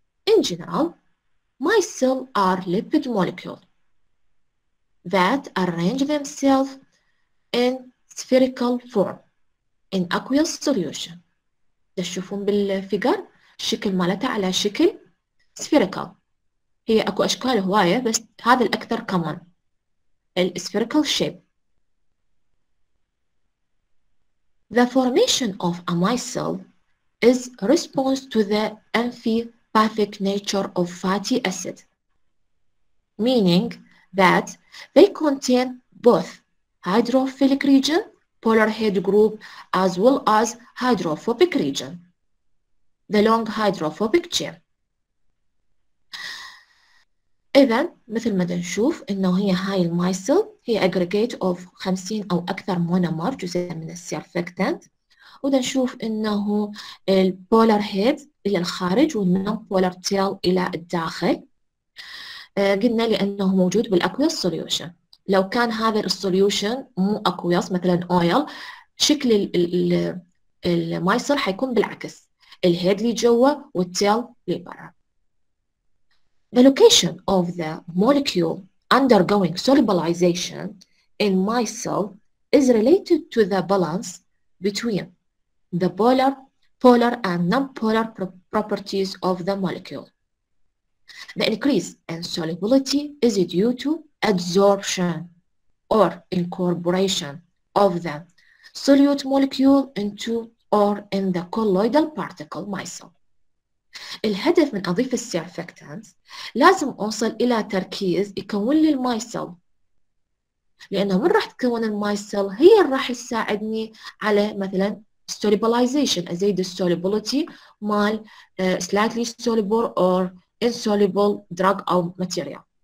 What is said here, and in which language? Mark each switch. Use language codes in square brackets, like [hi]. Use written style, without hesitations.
[en] In general, my cell are lipid molecules that arrange themselves in spherical form in aqueous solution. [ar] تشوفون بالفيجر شكل مالتها على شكل spherical. هي أكو أشكال هواية بس هذا الأكثر common. ال spherical shape. [en] The formation of a micelle is response to the amphipathic nature of fatty acid, meaning that they contain both hydrophilic region, polar head group, as well as hydrophobic region, the long hydrophobic chain. [ar] إذن مثل ما نشوف إنه هي هاي الميسل هي [en] aggregate of 50 [ar] أو أكثر مونومر جزء من السيرفكتنت، ونشوف إنه البولار هيد إلى الخارج والنون بولار تيل إلى الداخل. قلنا لأنه موجود بالأكويس سوليوشن. لو كان هذا السوليوشن مو أكويس مثلا أويل، شكل الميسل حيكون بالعكس، الهيد اللي جوا والتيل اللي برا. [en] The location of the molecule undergoing solubilization in micelle is related to the balance between the polar and nonpolar properties of the molecule. The increase in solubility is due to adsorption or incorporation of the solute molecule into or in the colloidal particle micelle. [ar] الهدف من أضيف السيرفكتانت لازم أوصل إلى تركيز يكون لي المايسل، لأنه من راح تكون المايسل هي اللي راح تساعدني على مثلا solubilization، أزيد السوليبلتي مال [en] slightly soluble or insoluble drug [ar] أو material.